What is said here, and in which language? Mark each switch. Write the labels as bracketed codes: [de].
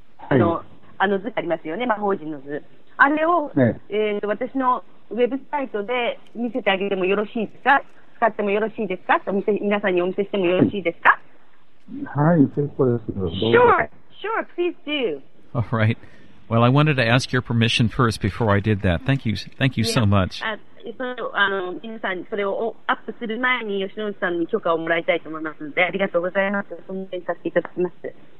[ja] 図がありますよね、魔法陣の図。あれを、はい私のウェブサイトで見せてあげてもよろしいですか、使ってもよろしいですか、お見せ皆さんにお見せしてもよろしいですか。はい、結構です。 [en] Sure, please do. All right. Well, I wanted to ask your permission first before I did that. Thank you so much. [ja] その皆さんそれをアップする前に吉野さんに許可をもらいたいと思いますので、ありがとうございます。尊敬させていただきます。